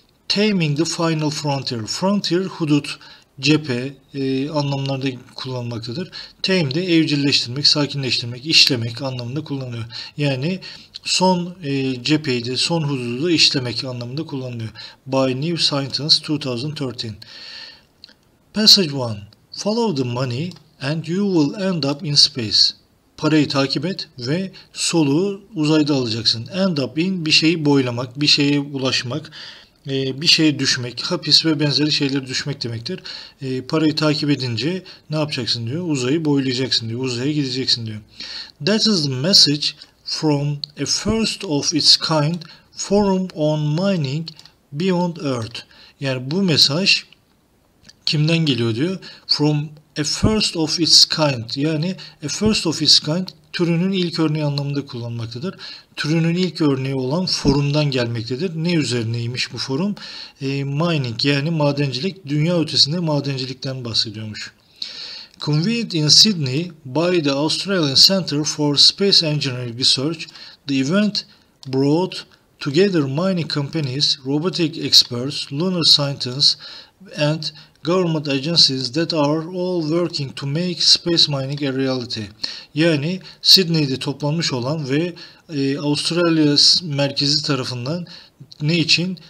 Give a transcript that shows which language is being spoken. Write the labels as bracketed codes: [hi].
[en] Taming the final frontier. [tr] Frontier hudut, cephe anlamlarda kullanılmaktadır. Tame de evcilleştirmek, sakinleştirmek, işlemek anlamında kullanılıyor. Yani son cepheyi de son hududu da işlemek anlamında kullanılıyor. [en] By New Scientist 2013. Passage 1. Follow the money and you will end up in space. [tr] Parayı takip et ve soluğu uzayda alacaksın. End up in bir şeyi boylamak, bir şeye ulaşmak, bir şeye düşmek, hapis ve benzeri şeyleri düşmek demektir. Parayı takip edince ne yapacaksın diyor? Uzayı boylayacaksın diyor. Uzaya gideceksin diyor. [en] That is the message from a first of its kind forum on mining beyond earth. [tr] Yani bu mesaj kimden geliyor diyor? [en] From a first of its kind [tr] yani a first of its kind türünün ilk örneği anlamında kullanılmaktadır. Türünün ilk örneği olan forumdan gelmektedir. Ne üzerineymiş bu forum? Mining yani madencilik, dünya ötesinde madencilikten bahsediyormuş. [en] Convened in Sydney by the Australian Centre for Space Engineering Research, the event brought together mining companies, robotic experts, lunar scientists, and government agencies that are all working to make space mining a reality. [tr] Yani Sydney'de toplanmış olan ve Avustralya merkezi tarafından ne için?